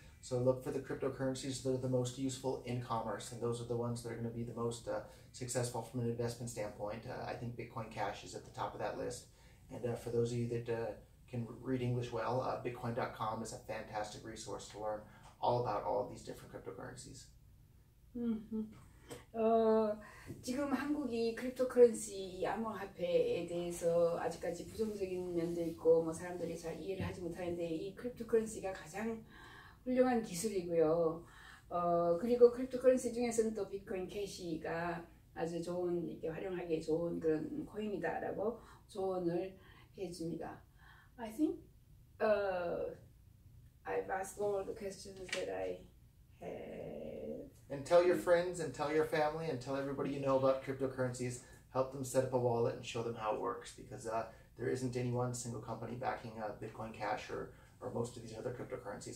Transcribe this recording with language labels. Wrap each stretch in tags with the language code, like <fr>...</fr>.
<en>So look for the cryptocurrencies that are the most useful in commerce, and those are the ones that are going to be the most successful from an investment standpoint. I think Bitcoin Cash is at the top of that list. And for those of you that can read English well, Bitcoin.com is a fantastic resource to learn all about all of these different cryptocurrencies. Mm-hmm.</en> <ko>지금 한국이 크립토커런시 암호화폐에 대해서 아직까지 부정적인 면도 있고 뭐 사람들이 잘 이해를 하지 못하는데 이 크립토커런시가 가장 훌륭한 기술이고요. 그리고 크립토커런시 중에서는 또 비트코인 캐시가 아주 좋은 이렇게 활용하기에 좋은 그런 코인이다라고 조언을 해줍니다.</ko> <en>I think I've asked all the questions that I had. And tell your friends and tell your family and tell everybody you know about cryptocurrencies. Help them set up a wallet and show them how it works, because there isn't any one single company backing Bitcoin Cash or most of these other cryptocurrencies.</en>